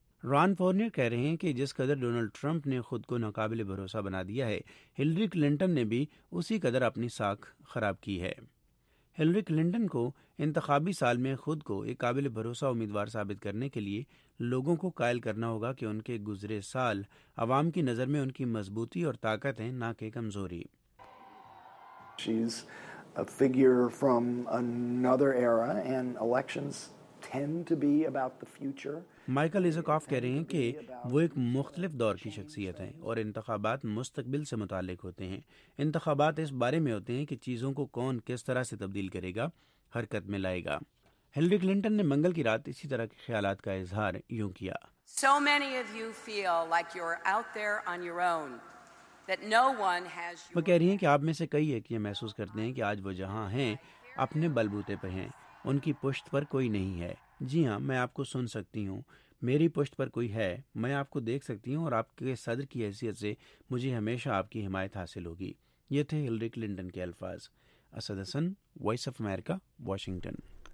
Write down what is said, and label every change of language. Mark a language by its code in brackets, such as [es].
[ur] رون فورنیر کہہ رہے ہیں کہ جس قدر ڈونلڈ ٹرمپ نے خود کو ناقابل بھروسہ بنا دیا ہے، ہلری کلنٹن نے بھی اسی قدر اپنی ساکھ خراب کی ہے۔ ہلری کلنٹن کو انتخابی سال میں خود کو ایک قابل بھروسہ امیدوار ثابت کرنے کے لیے لوگوں کو قائل کرنا ہوگا کہ ان کے گزرے سال عوام کی نظر میں ان کی مضبوطی اور طاقت ہیں، نہ کہ کمزوری۔ [en] She's a figure from another era and elections tend to be about the future. [ur] Michael ایزاکوف کہہ رہے ہیں کہ وہ ایک مختلف دور کی شخصیت ہیں اور انتخابات مستقبل سے متعلق ہوتے ہیں۔ انتخابات اس بارے میں ہوتے ہیں کہ چیزوں کو کون کس طرح سے تبدیل کرے گا، حرکت میں لائے گا۔ ہلری کلنٹن نے منگل کی رات اسی طرح کے خیالات کا اظہار یوں کیا۔ [en] So many of you feel like you're out there on your own. [ur] وہ کہہ رہی ہیں کہ آپ میں سے کئی ایک یہ محسوس کرتے ہیں کہ آج وہ جہاں ہیں اپنے بل بوتے پہ ہیں، ان کی پشت پر کوئی نہیں ہے۔ جی ہاں، میں آپ کو سن سکتی ہوں، میری پشت پر کوئی ہے، میں آپ کو دیکھ سکتی ہوں اور آپ کے صدر کی حیثیت سے مجھے ہمیشہ آپ کی حمایت حاصل ہوگی۔ یہ تھے ہلری کلنٹن کے الفاظ۔ اسد حسن، وائس آف امریکہ، واشنگٹن۔